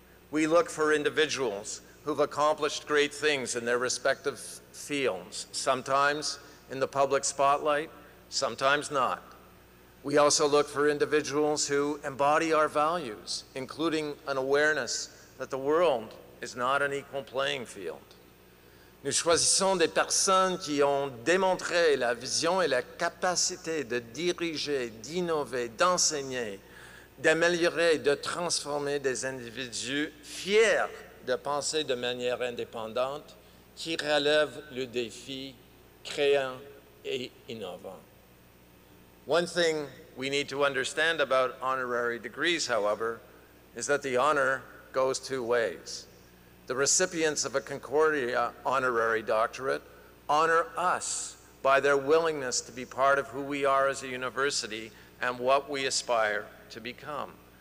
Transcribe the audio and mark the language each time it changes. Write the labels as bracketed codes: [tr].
[en] We look for individuals who've accomplished great things in their respective fields, sometimes in the public spotlight, sometimes not. We also look for individuals who embody our values, including an awareness that the world is not an equal playing field. [fr] Nous choisissons des personnes qui ont démontré la vision et la capacité de diriger, d'innover, d'enseigner, d'améliorer et de transformer des individus fiers de penser de manière indépendante, qui relèvent le défi créant et innovant. [en] One thing we need to understand about honorary degrees, however, is that the honor goes two ways. The recipients of a Concordia honorary doctorate honor us by their willingness to be part of who we are as a university and what we aspire to become.